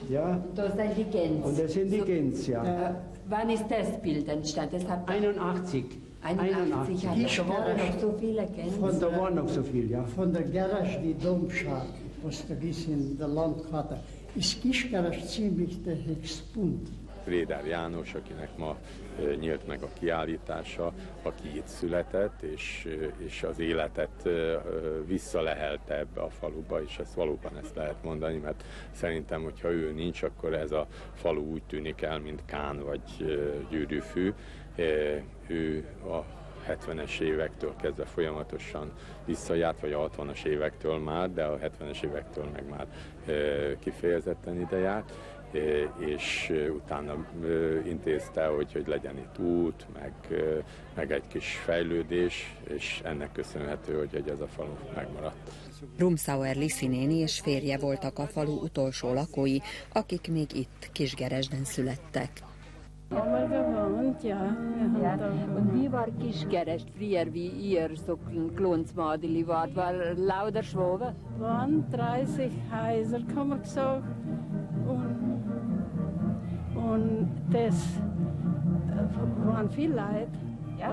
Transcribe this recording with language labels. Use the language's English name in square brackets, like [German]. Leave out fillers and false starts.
[German] ja. Das sind die Gänse. So, ja. Wann ist das Bild entstanden? 81. 81. Da waren noch so viele Gänse. Von da waren noch so viele, ja. Von der Geresd, die Domschar, was da ist in der Landkarte, ist Kisgeresd ziemlich der höchste Punkt. [Hungarian] Rédár János, akinek ma nyílt meg a kiállítása, aki itt született, és az életet visszalehelte ebbe a faluba, és ezt valóban ezt lehet mondani, mert szerintem, hogyha ő nincs, akkor ez a falu úgy tűnik el, mint Kán vagy Gyűrűfű. Ő a 70-es évektől kezdve folyamatosan visszajárt, vagy a 60-as évektől már, de a 70-es évektől meg már kifejezetten ide járt, és utána intézte, hogy legyen itt út, meg egy kis fejlődés, és ennek köszönhető, hogy ez a falu megmaradt. Rumszauer Liszi néni és férje voltak a falu utolsó lakói, akik még itt Kisgeresden születtek. [German] Und wie war Kisgerest früher, wie ihr so Klonsmadeli wart? War lauter Schwabe? Waren 30 Häuser, kann man sagen. Und das waren viele Leute. Ja.